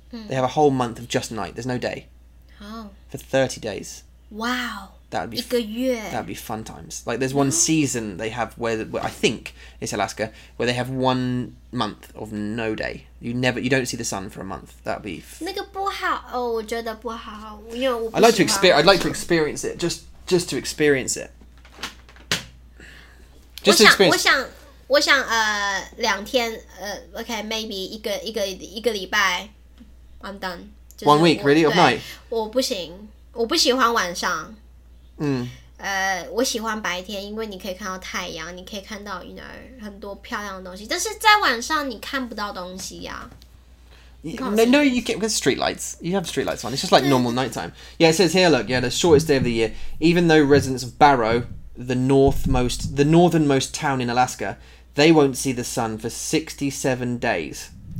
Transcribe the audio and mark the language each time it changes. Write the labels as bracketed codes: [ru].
[en] They have a whole month of just night. There's no day. Oh. For 30 days. Wow. That would be... [zh] 一个月. [en] That would be fun times. Like, there's one season they have where I think it's Alaska, where they have 1 month of no day. You don't see the sun for a month. That'd be. [zh] 那个不好哦，我觉得不好，因为我不喜欢。 [en] I'd like to experience it. Just to experience it. Just to experience. 我想两天 okay, maybe 一个礼拜 I'm done.、就是、 One week, really? Of night? [zh] 我不行，我不喜欢晚上。我喜欢白天，因为你可以看到太阳，你可以看到 you know, 很多漂亮的东西。但是在晚上你看不到东西呀、 [en] 啊。No, you get street lights. You have street lights on. It's just like normal nighttime. Yeah, it says here, look, yeah, the shortest day of the year. Even though residents of Barrow, the northernmost town in Alaska, they won't see the sun for 67 days.